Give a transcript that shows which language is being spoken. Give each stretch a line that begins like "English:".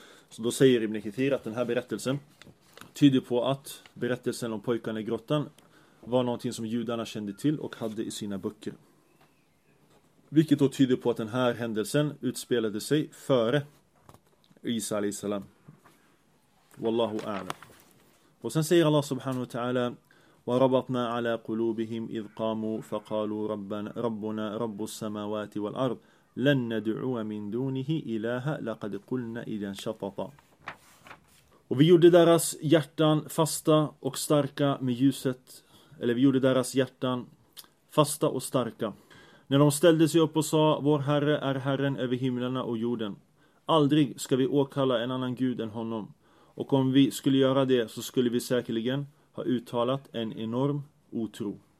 Swedish: Så då säger Ibn Kathir att den här berättelsen tyder på att berättelsen om pojkarna i grottan var någonting som judarna kände till och hade i sina böcker. Vilket då tyder på att den här händelsen utspelade sig före Isa alayhi salam.
Arabic: Wallahu a'lam.
Swedish: Och sen säger
Arabic: Allah subhanahu wa ta'ala وَرَبَطْنَا عَلَى قُلُوبِهِمْ إِذْ قَامُوا فَقَالُوا رَبُّنَا رَبُّ السَّمَاوَاتِ وَالْأَرْضِ لَنْ نَدْعُوَ مِنْ دُونِهِ إِلَٰهَ لَقَدْ قُلْنَا إِذًا شَطَطًا.
Swedish: Och vi gjorde deras hjärtan fasta och starka med ljuset. Eller vi gjorde deras hjärtan fasta och starka. När de ställde sig upp och sa, vår Herre är Herren över himlarna och jorden. Aldrig ska vi åkalla en annan Gud än honom. Och om vi skulle göra det så skulle vi säkerligen ha uttalat en enorm otro.